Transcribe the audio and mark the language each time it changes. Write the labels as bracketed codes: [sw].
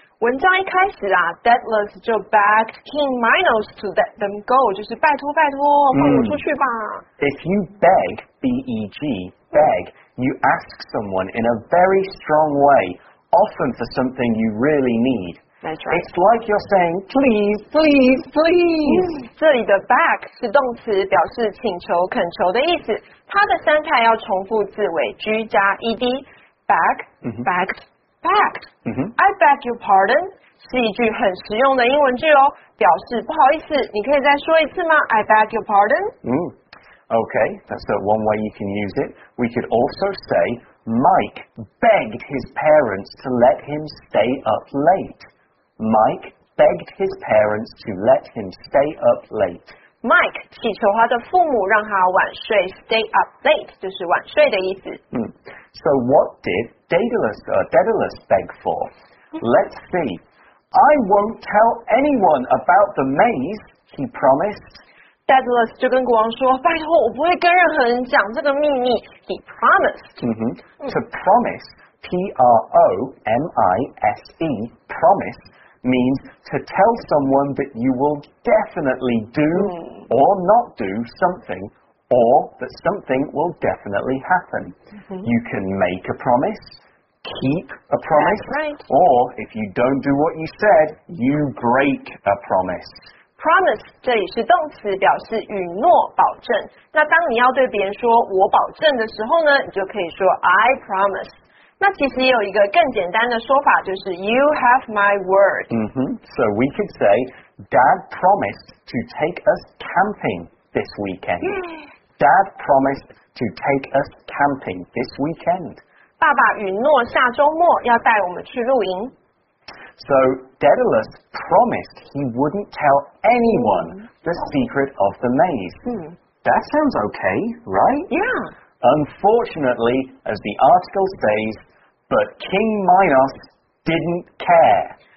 [zh] 文章一开始啊 ,Daedalus 就 [en] begged King Minos to let them go, [zh] 就是拜托拜托放我出去吧。 [en] If you beg, B-E-G, beg, you ask someone in a very strong way, often for something you really need. That's right. It's like you're saying, please, please, please. [zh] 这里的 beg 是动词表示请求恳求的意思。它的三态要重复字尾 G 加 ED, beg, begged,Begged. [en] I beg your pardon [zh] 是一句很实用的英文句哦，表示不好意思，你可以再说一次吗 ？I beg your pardon. [en] Okay, that's one way you can use it. We could also say Mike begged his parents to let him stay up late. Mike begged his parents to let him stay up late. [zh] Mike 祈求他的父母让他晚睡 ， [en] stay up late [zh] 就是晚睡的意思。 [en] So what did Daedalus beg for? Let's see. I won't tell anyone about the maze, he promised. [zh] 戴德勒斯就跟国王说，拜托我不会跟任何人讲这个秘密。 [en] He promised、 mm-hmm. To promise P-R-O-M-I-S-E Promise means to tell someone that you will definitely do、mm-hmm. or not do something, or that something will definitely happen、mm-hmm. You can make a promise, keep a promise、 right. Or if you don't do what you said, you break a promise。 [zh] Promise 这里是动词，表示允诺、保证。那当你要对别人说我保证的时候呢，你就可以说 [en] I promise。 [zh] 那其实也有一个更简单的说法，就是 [en] You have my word。 Mm-hmm. So we could say Dad promised to take us camping this weekend. Dad promised to take us camping this weekend. [zh] 爸爸允诺下周末要带我们去露营。 [en] So, Daedalus promised he wouldn't tell anyone the secret of the maze. That sounds okay, right? Yeah. Unfortunately, as the article says, but King Minos didn't care.